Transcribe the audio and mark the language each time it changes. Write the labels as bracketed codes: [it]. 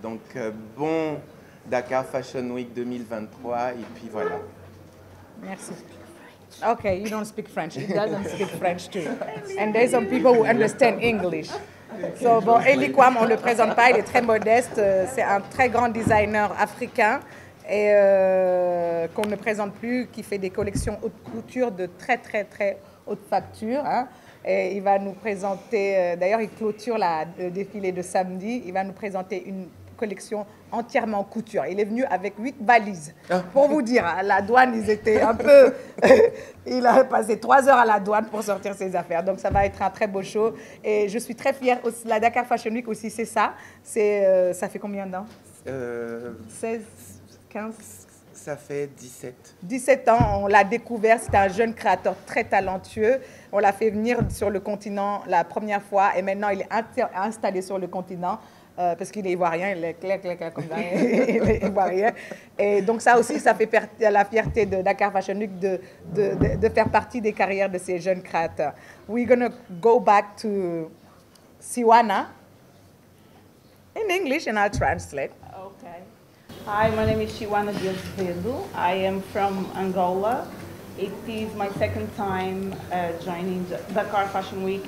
[fr] Donc, bon Dakar Fashion Week 2023, et puis voilà. Merci. [en] Okay, you don't speak French. He doesn't speak French too. And there's some people who understand English. [fr] So, bon, Eli Kwam, on ne le présente pas, il est très modeste. C'est un très grand designer africain et qu'on ne présente plus, qui fait des collections haute couture de très, très, très haute facture. Hein. Et il va nous présenter, d'ailleurs, il clôture la, le défilé de samedi. Il va nous présenter une collection entièrement couture. Il est venu avec 8 valises. Ah. Pour vous dire, la douane, ils étaient un peu... Il a passé 3 heures à la douane pour sortir ses affaires. Donc, ça va être un très beau show. Et je suis très fière. Aussi, la Dakar Fashion Week aussi, c'est ça. C'est, ça fait combien d'ans 16, 15 Ça fait 17. 17 ans, on l'a découvert. C'était un jeune créateur très talentueux. On l'a fait venir sur le continent la première fois. Et maintenant, il est installé sur le continent. Parce qu'il n'y voit rien, il est clair, clair, clair, comme ça, il ne voit rien. Et donc ça aussi, ça fait la fierté de Dakar Fashion Week de faire partie des carrières de ces jeunes créateurs. [en] We're going to go back to Siwana. In English, and I'll translate. Okay. Hi, my name is Siwana Diosvedu. I am from Angola. It is my second time joining Dakar Fashion Week.